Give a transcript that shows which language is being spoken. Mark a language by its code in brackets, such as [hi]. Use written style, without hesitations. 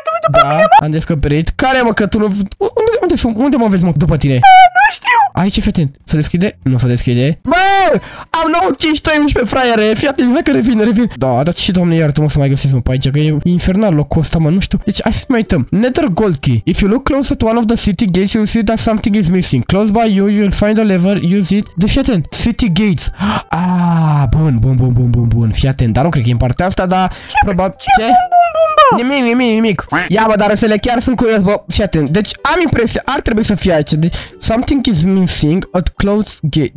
[ro] Da, am descoperit. Care, mă, că tu nu... Unde sunt? Unde mă vezi, mă, după tine? Nu știu! Aici, fii atent. Se deschide? Nu se deschide. Bă! Am 9-15-11, fraiere! Fii atent, vei că revin. Da, dar ce, doamne, iartă-mă să mai găsesc, mă, pe aici, că e infernal locul ăsta, mă, nu știu. Deci, hai să mai uităm. Nether gold key. [en] If you look close at one of the city gates, you'll see that something is missing. Close by you, you'll find a lever, use it. [ro] Deci, fii atent. City gates. Bun. Fii atent, dar nu cred că e în partea asta, dar... Ce? Nimic. Ia, bă, dar să le chiar sunt curios, bă, fii atent. Deci, am impresia, ar trebui să fie aici. Deci, [en] something is missing at close gate.